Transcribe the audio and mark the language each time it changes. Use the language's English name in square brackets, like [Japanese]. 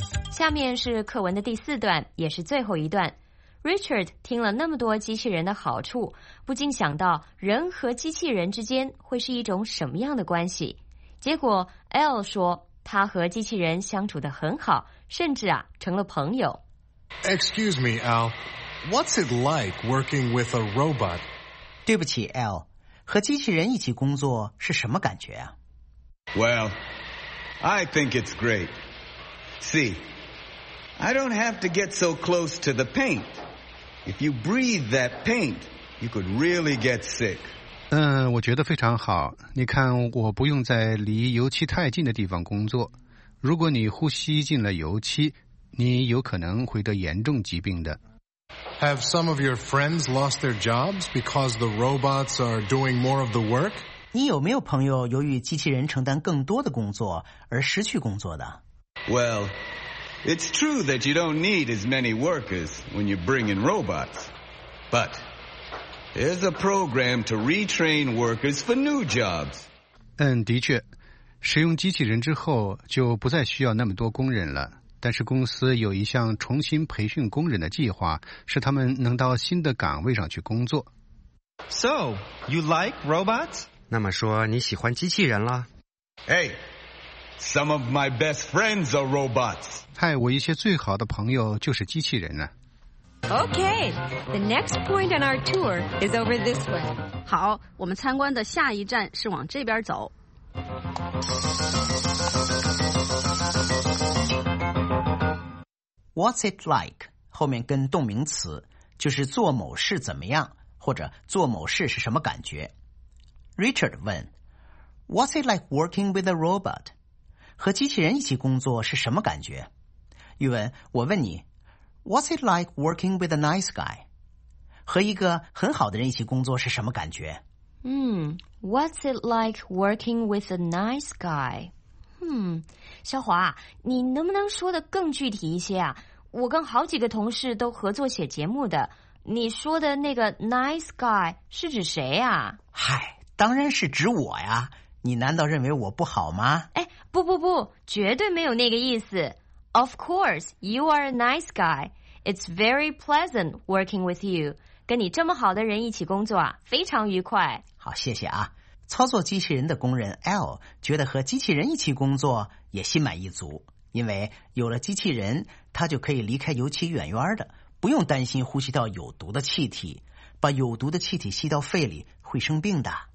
[Chinese] 下面是课文的第四段，也是最后一段。Richard 听了那么多机器人的好处，不禁想到人和机器人之间会是一种什么样的关系。结果 L 说他和机器人相处得很好，甚至啊成了朋友。 [English] Excuse me, Al, what's it like working with a robot? [Chinese] 对不起 L, 和机器人一起工作是什么感觉啊？ [English] Well, I think it's great. See,I don't have to get so close to the paint. If you breathe that paint, you could really get sick. [Chinese] 我觉得非常好。你看，我不用在离油漆太近的地方工作。如果你呼吸进了油漆，你有可能会得严重疾病的。 [English] Have some of your friends lost their jobs because the robots are doing more of the work? [Chinese] 你有没有朋友由于机器人承担更多的工作而失去工作的？ [English] Well,It's true that you don't need as many workers when you bring in robots. But there's a program to retrain workers for new jobs. [Chinese] 的确，使用机器人之后就不再需要那么多工人了。但是公司有一项重新培训工人的计划，使他们能到新的岗位上去工作。 [English] So, you like robots? [Chinese] 那么说你喜欢机器人了？ [English] Hey! Some of my best friends are robots. [Chinese] 嗨，我一些最好的朋友就是机器人呢。 [English] Okay, the next point on our tour is over this way. [Chinese] 好，我们参观的下一站是往这边走。 [English] What's it like? [Chinese] 后面跟动名词，就是做某事怎么样，或者做某事是什么感觉。 [English] Richard 问 ,What's it like working with a robot? [Chinese] 和机器人一起工作是什么感觉？宇文，我问你 [English] ,What's it like working with a nice guy? [Chinese] 和一个很好的人一起工作是什么感觉？ [English] What's it like working with a nice guy? [Chinese] 小华，你能不能说得更具体一些啊？我跟好几个同事都合作写节目的，你说的那个 nice guy 是指谁啊？嗨，当然是指我呀，你难道认为我不好吗？哎，不不不，绝对没有那个意思。 [English] Of course, you are a nice guy. It's very pleasant working with you. [Chinese] 跟你这么好的人一起工作啊，非常愉快。好，谢谢啊。操作机器人的工人 L 觉得和机器人一起工作也心满意足，因为有了机器人，他就可以离开油漆远远的，不用担心呼吸到有毒的气体，把有毒的气体吸到肺里会生病的。